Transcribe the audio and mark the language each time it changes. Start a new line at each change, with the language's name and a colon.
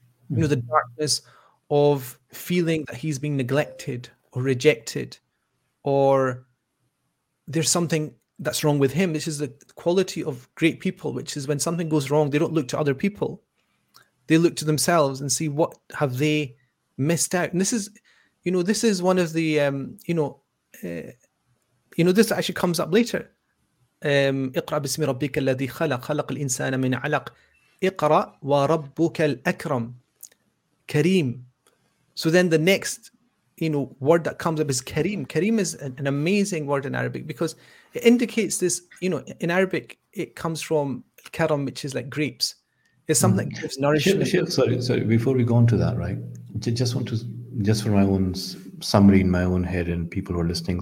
English: You know, the darkness of feeling that he's being neglected or rejected, or there's something that's wrong with him. This is the quality of great people, which is when something goes wrong, they don't look to other people. They look to themselves and see what have they missed out. And this is one of the, this actually comes up later.
Arabic: اقرأ بسم ربك الذي خلق خلق الإنسان من علق اقرأ وربك الأكرم.
English: Kareem. So then the next, you know, word that comes up is Kareem. Kareem is an amazing word in Arabic because it indicates this, you know, in Arabic, it comes from Karam, which is like grapes. It's something that gives nourishment. Sorry, before we go on to that, right? Just for my own summary in my own head and people who are listening.